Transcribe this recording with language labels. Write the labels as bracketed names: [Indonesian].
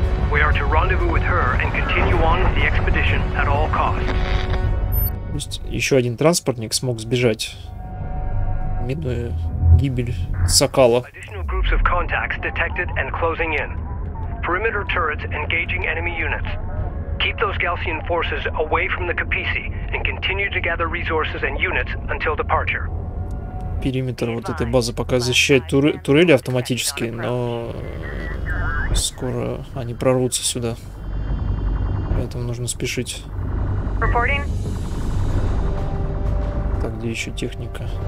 [English] We are to rendezvous with her and continue on with the expedition at all costs. [Russian] То есть еще один транспортник смог сбежать. Минуя гибель Сакала. [English] Additional groups of contacts detected and closing in. Perimeter turrets engaging enemy units. Keep those Galcian forces away from the Capesi and continue to gather resources and units until departure. [Russian] Периметр вот этой базы пока защищает турели автоматически, но скоро они прорвутся сюда. Поэтому нужно спешить. [English] Reporting. [Russian] Так, где еще техника?